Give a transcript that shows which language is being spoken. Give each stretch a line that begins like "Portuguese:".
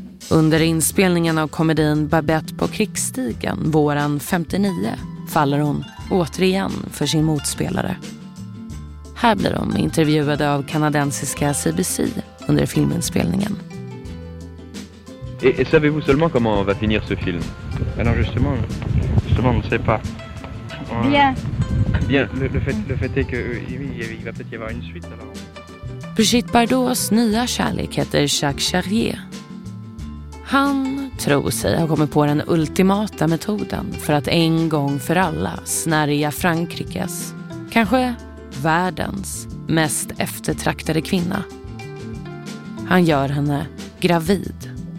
Swedish: Under inspelningen av komedin Babette på krigsstigen våren 59 faller hon återigen för sin motspelare. Här blir de intervjuade av kanadensiska CBC under filminspelningen.
French: Et savez-vous seulement comment va finir ce film? Alors justement, on ne sait pas. Bien. Le fait est que il va peut-être y avoir une suite alors.
Swedish: Brigitte Bardots nya kärlek heter Jacques Charrier. Han tror sig ha kommit på den ultimata metoden för att en gång för alla snärja Frankrikes, kanske världens mest eftertraktade kvinna. Han gör henne gravid.